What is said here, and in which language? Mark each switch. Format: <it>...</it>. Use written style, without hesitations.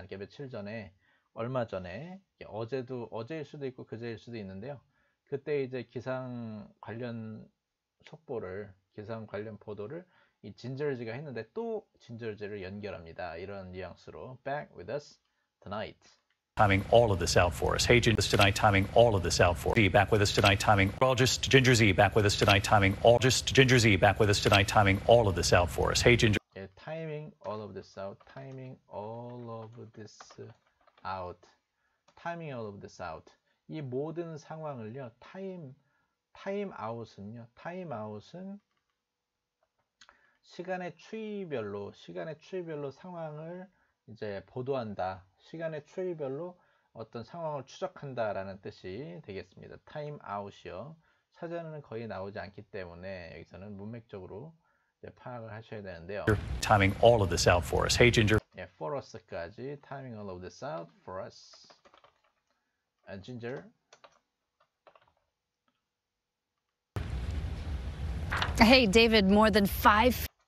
<ko>이렇게 며칠 전에, 얼마 전에, 예, 어제도, 어제일 수도 있고, 그제일 수도 있는데요. 그때 이제 기상 관련 속보를, 기상 관련 보도를 이 진저지가 했는데, 또 진저지를 연결합니다. 이런 뉘앙스로,</ko> <en>back with us tonight. Timing all of this out for us. Hey, Ginger Z, timing all of this out for us. Back with us tonight, timing. Meteorologist Ginger Z, back with us tonight, timing. Meteorologist Ginger Z, back with us tonight, timing all of this out for us. Hey, Ginger. Yeah, timing all of this out. Timing all of this out. Timing all of this out.</en> <ko>이 모든 상황을요. Time out은 시간의 추이별로 상황을 이제 보도한다. 시간의 추이별로 어떤 상황을 추적한다라는 뜻이 되겠습니다.</ko> <en>Time out이요.</en> <ko>사전에는 거의 나오지 않기 때문에 여기서는 문맥적으로 파악을 하셔야 되는데요.</ko> <en>Timing all of this out for us. Hey, Ginger. Yeah, for us까지 timing all of this out for us. And Ginger. Hey, David, more than five.</en>